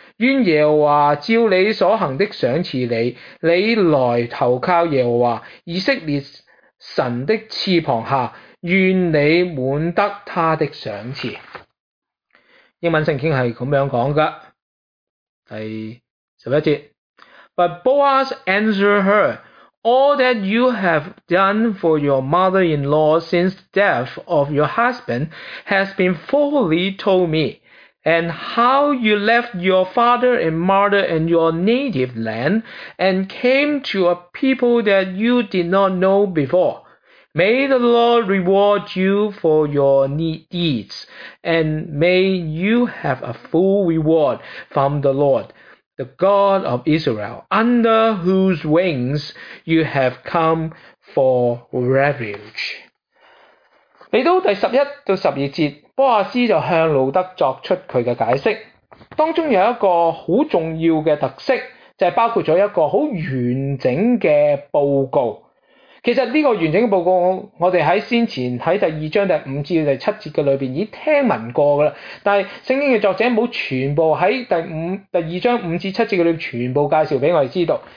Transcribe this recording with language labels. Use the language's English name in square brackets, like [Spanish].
[Chinese] 愿耶和华照你所行的赏赐你，你来投靠耶和华以色列神的翅膀下，愿你满得他的赏赐。英文圣经是这样讲的，第十一节。 [English] But Boaz answered her,All that you have done for your mother-in-law since death of your husband has been fully told me, and how you left your father and mother and your native land and came to a people that you did not know before. May the Lord reward you for your deeds, and may you have a full reward from the Lord. The God of Israel, under whose wings you have come for refuge. [Chinese] 来到第十一到十二节，波亚斯就向路德作出他的解释。当中有一个很重要的特色，就是包括了一个很完整的报告。其实这个完整的报告，我们在先前在第二章第五至第七节的里面已经听闻过了，但是圣经的作者没有全部在第二章五至七节的里面全部介绍给我们知道。